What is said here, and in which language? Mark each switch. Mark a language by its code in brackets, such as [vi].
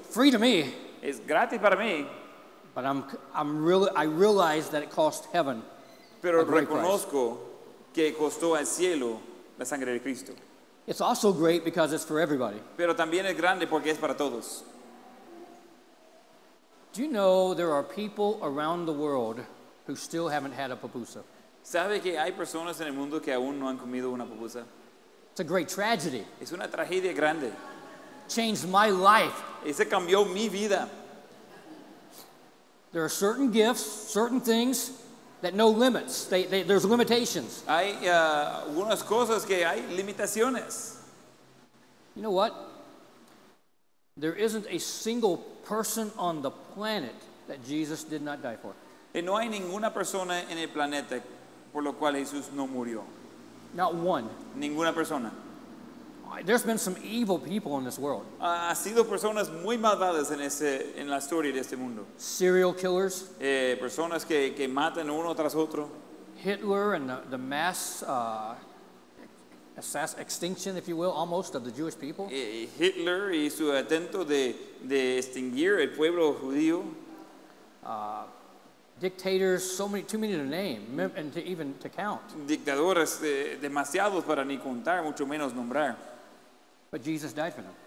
[en] Free to me. [es] Es gratis para mí. [en] But I realize that it cost heaven. [es] Pero reconozco que costó al cielo la sangre de Cristo. [en] It's also great because it's for everybody. [es] Pero también es grande porque es para todos. [en] Do you know there are people around the world who still haven't had a pupusa? [es] ¿Sabe que hay personas en el mundo que aún no han comido una pupusa? [en] It's a great tragedy. [es] Es una tragedia grande. [en] Changed my life. [es] Ese cambió mi vida. [en] There are certain gifts, certain things that no limits. There's limitations. [es] Hay algunas cosas que hay limitaciones. [en] You know what? There isn't a single person on the planet that Jesus did not die for. [es] Y no hay ninguna persona en el planeta por lo cual Jesús no murió. [en] Not one. [es] Ninguna persona. [en] There's been some evil people in this world. [es] Ha sido personas muy malvadas en la historia de este mundo. [en] Serial killers. [es] Personas que matan uno tras otro. [en] Hitler and the mass extinction, if you will, almost, of the Jewish people. [es] Hitler y su intento de extinguir el pueblo judío. [en] Dictators, so many, too many to name, and to even to count. [es] Dictadores demasiados para ni contar, mucho menos nombrar. [en] But Jesus died for them.